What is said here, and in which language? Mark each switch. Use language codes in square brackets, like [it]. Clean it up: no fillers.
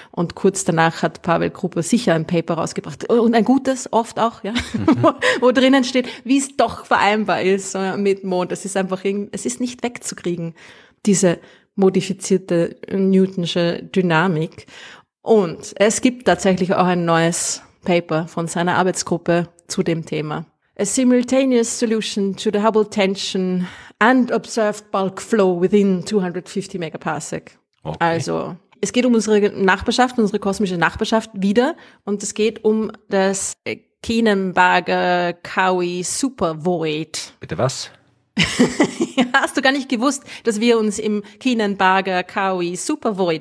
[de] Und kurz danach hat Pavel Krupa sicher ein Paper rausgebracht. Und ein gutes, oft auch, ja, wo drinnen steht, wie es doch vereinbar ist mit Mond. Es ist einfach es ist nicht wegzukriegen, diese modifizierte Newtonsche Dynamik. Und es gibt tatsächlich auch ein neues Paper von seiner Arbeitsgruppe zu dem Thema. [en] A simultaneous solution to the Hubble tension and observed bulk flow within 250 megaparsec. [de] Okay. Also, es geht um unsere Nachbarschaft, unsere kosmische Nachbarschaft wieder. Und es geht um das Keenan-Barger-Cowie-Supervoid. Bitte was? Hast du gar nicht gewusst, dass wir uns im Keenan-Barger-Cowie-Supervoid